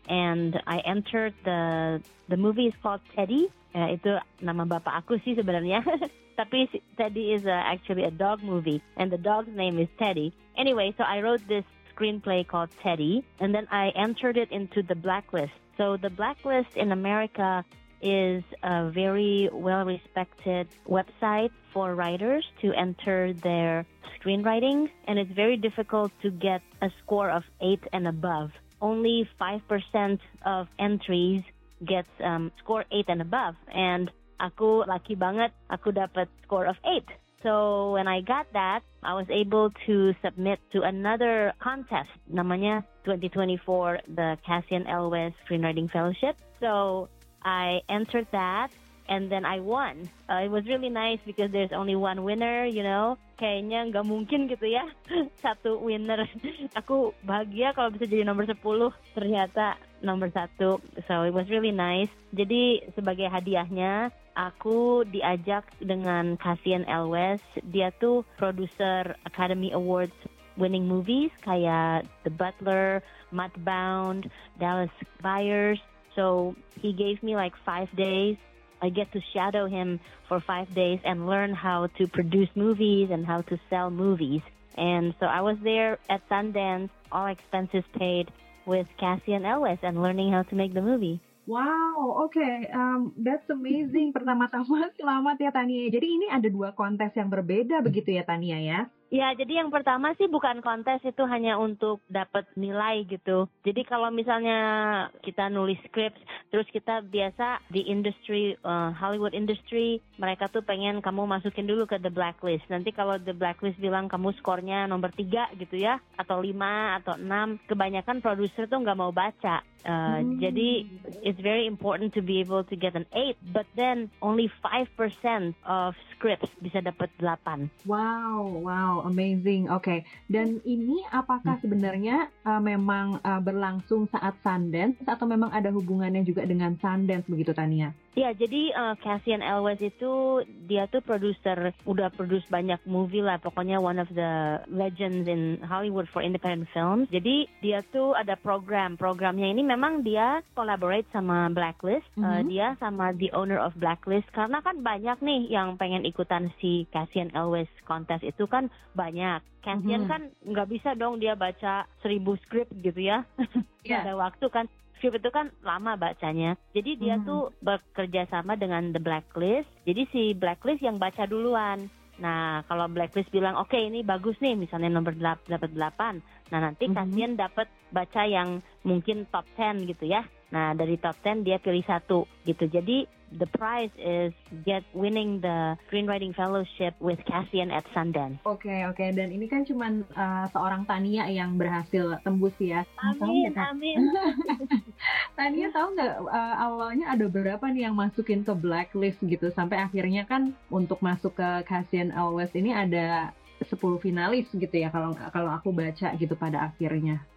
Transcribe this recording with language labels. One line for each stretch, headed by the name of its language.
English: And I entered the movie is called Teddy.
Indonesian: Ya, itu nama bapak aku sih sebenarnya. Tapi
English: Teddy is actually a dog movie, and the dog's name is Teddy. Anyway, so I wrote this screenplay called Teddy, and then I entered it into the Blacklist. So the Blacklist in America is a very well-respected website for writers to enter their screenwriting, and it's very difficult to get a score of 8 and above. Only 5% of entries gets score 8 and above, and
Indonesian: aku
English: lucky
Indonesian: banget, aku dapat
English: score of 8. So when I got that, I was able to submit to another contest,
Indonesian: namanya
English: 2024, the Cashion Elwes Screenwriting Fellowship. So I entered that, and then I won. It was really nice because there's only one winner, you know.
Indonesian: Kayaknya nggak mungkin gitu ya, satu winner. Aku bahagia kalau bisa jadi nomor 10, ternyata nomor 1.
English: So it was really nice.
Indonesian: Jadi sebagai hadiahnya, aku diajak dengan Cashion Elwes. Dia tuh produser Academy Awards winning movies kayak The Butler, Mudbound, Dallas Buyers.
English: So he gave me like 5 days. I get to shadow him for 5 days and learn how to produce movies and how to sell movies. And so I was there at Sundance, all expenses paid, with Cashion Elwes and learning how to make the movie. Wow, okay, that's amazing.
Indonesian: Pertama-tama, selamat ya Tania. Jadi ini ada dua kontes yang berbeda begitu ya Tania ya? Ya, jadi yang pertama sih bukan kontes, itu hanya untuk dapat nilai gitu. Jadi kalau misalnya kita nulis skrip, terus kita biasa di industry, Hollywood industry, mereka tuh pengen kamu masukin dulu ke The Blacklist. Nanti kalau The Blacklist bilang kamu skornya nomor 3 gitu ya, atau 5 atau 6, kebanyakan produser tuh nggak mau baca. Jadi
English: it's very important to be able to get an 8, but then only 5% of scripts
Indonesian: bisa dapat 8.
English: Wow, amazing. Okay.
Indonesian: Dan ini apakah sebenarnya memang berlangsung saat Sundance atau memang ada hubungannya juga dengan Sundance begitu Tania? Ya, jadi Cashion Elwes itu dia tuh produser, udah produce banyak movie lah, pokoknya
English: one of the legends in Hollywood for independent films.
Indonesian: Jadi dia tuh ada programnya ini memang dia collaborate sama Blacklist, dia sama
English: the owner of Blacklist,
Indonesian: karena kan banyak nih yang pengen ikutan si Cashion Elwes contest itu kan banyak. Cashion kan nggak bisa dong dia baca 1000 script gitu ya, nggak ada waktu kan. Script itu kan lama bacanya. Jadi dia tuh bekerja sama dengan The Blacklist. Jadi si Blacklist yang baca duluan. Nah, kalau Blacklist bilang, okay, ini bagus nih, misalnya nomor 8. Nah, nanti Cashion dapat baca yang mungkin top 10 gitu ya. Nah, dari top 10 dia pilih satu gitu. Jadi
English: the prize is get winning the screenwriting fellowship with Cassian at Sundance. Okay.
Indonesian: Dan ini kan cuma seorang Tania yang berhasil tembus ya. Amin. Tania tahu nggak awalnya ada berapa nih yang masukin ke blacklist gitu sampai akhirnya kan untuk masuk ke Cassian Awards ini ada 10 finalis gitu ya kalau aku baca gitu pada akhirnya.